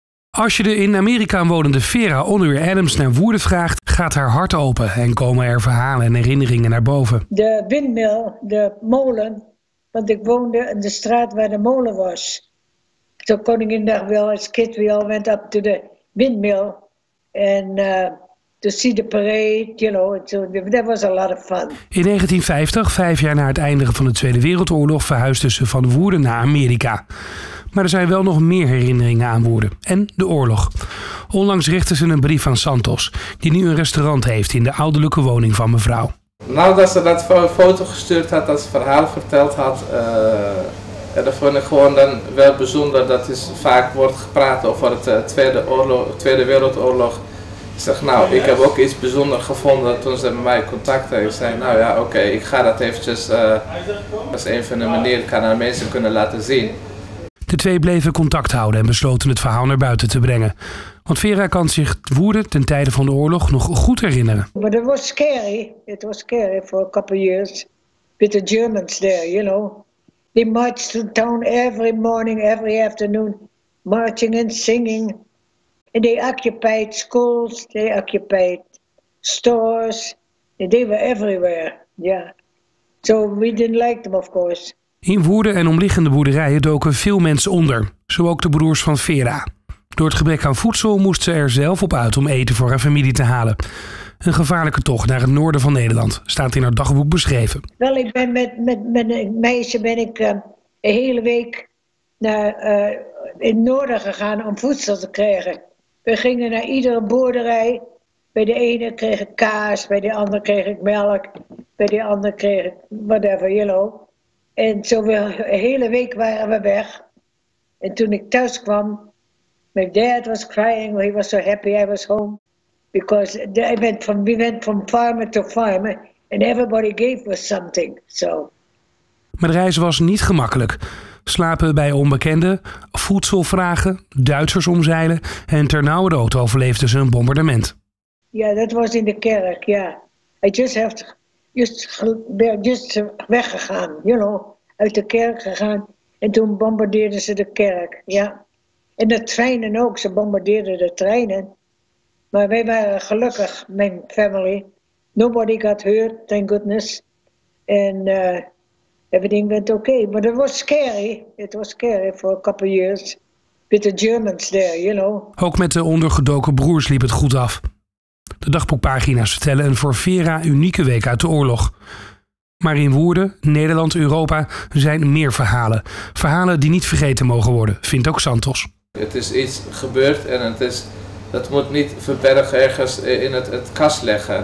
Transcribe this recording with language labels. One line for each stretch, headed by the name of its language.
Dutch: Als je de in Amerika wonende Vera Onuwe Adams naar woede vraagt, gaat haar hart open en komen er verhalen en herinneringen naar boven. De windmill, de molen, want ik woonde in de straat waar de molen was. Toen Koninginnedag wel als
English: kid, we all went up to the windmill and to see the parade, you know, so that was a lot of fun.
Dutch: In 1950, 5 jaar na het eindigen van de Tweede Wereldoorlog, verhuisde ze van Woerden naar Amerika. Maar er zijn wel nog meer herinneringen aan Woerden en de oorlog. Onlangs richtte ze een brief aan Santos, die nu een restaurant heeft in de ouderlijke woning van mevrouw. Nadat ze dat foto gestuurd had, dat ze verhaal verteld had, dat vond ik gewoon dan wel bijzonder. Dat is vaak wordt gepraat over het Tweede Wereldoorlog. Ik zeg, nou, ik heb ook iets bijzonders gevonden toen ze met mij contact hadden. Ik zei, nou ja, oké, ik ga dat eventjes als een van de manieren kan aan mensen kunnen laten zien. De twee bleven contact houden en besloten het verhaal naar buiten te brengen. Want Vera kan zich Woerden ten tijde van de oorlog nog goed herinneren. Maar het
English: was scary. It was scary for a couple years. With the Germans there, you know. They marched through town every morning, every afternoon. Marching and singing. And they occupied schools, they occupied stores. And they were everywhere, yeah. So we didn't like them, of course.
Dutch: In Woerden en omliggende boerderijen doken veel mensen onder. Zo ook de broers van Vera. Door het gebrek aan voedsel moest ze er zelf op uit om eten voor haar familie te halen. Een gevaarlijke tocht naar het noorden van Nederland, staat in haar dagboek beschreven. Wel, ik ben met een meisje ben ik een hele week naar in het noorden gegaan om voedsel te krijgen. We gingen naar iedere boerderij. Bij de ene kreeg ik kaas, bij de andere kreeg ik melk. Bij de andere kreeg ik
English: whatever, you know.
Dutch: En zo een hele week waren we weg. En toen ik thuis kwam,
English: my dad was crying. He was so happy I was home. Because we went from farmer to farmer. And everybody gave us something. So.
Dutch: Maar de reis was niet gemakkelijk. Slapen bij onbekenden, voedsel vragen, Duitsers omzeilen. En ternauwernood overleefden ze een bombardement. Ja, yeah, dat was in de kerk, ja.
English: Yeah. I just have to...
Dutch: Just weggegaan,
English: you know,
Dutch: uit de kerk gegaan. En toen bombardeerden ze de kerk, ja. En de treinen ook, ze bombardeerden de treinen. Maar wij waren gelukkig, mijn family.
English: Nobody got hurt, thank goodness. And everything went okay. But it was scary. It was scary for a couple years. With the Germans there, you know.
Dutch: Ook met de ondergedoken broers liep het goed af. De dagboekpagina's vertellen een voor Vera unieke week uit de oorlog. Maar in Woerden, Nederland, Europa zijn meer verhalen. Verhalen die niet vergeten mogen worden, vindt ook Santos. Het is iets gebeurd en dat moet niet verbergen ergens in het kast leggen.